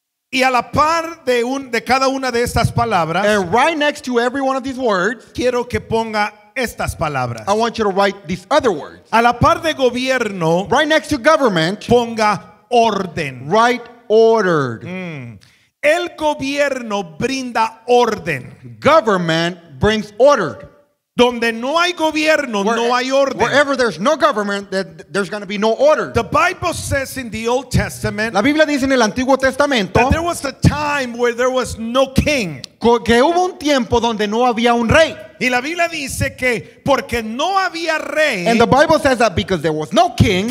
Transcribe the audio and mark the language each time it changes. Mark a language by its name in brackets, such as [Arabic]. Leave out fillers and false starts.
[Spanish] Y a la par de un de cada una de estas palabras, [English] and right next to every one of these words, [Spanish] quiero que ponga estas palabras. [English] I want you to write these other words. [Spanish] A la par de gobierno, [English] right next to government, [Spanish] ponga orden. [English] Write ordered. [Spanish] Mm. El gobierno brinda orden. [English] Government brings order. [Spanish] Donde no hay gobierno, no hay orden. [English] Wherever there's no government, there's going to be no order. The Bible says in the Old Testament, [Spanish] la Biblia dice en el Antiguo Testamento, [English] that there was a time where there was no king. [Spanish] Que hubo un tiempo donde no había un rey. Y la Biblia dice que porque no había rey, [English] and the Bible says that because there was no king,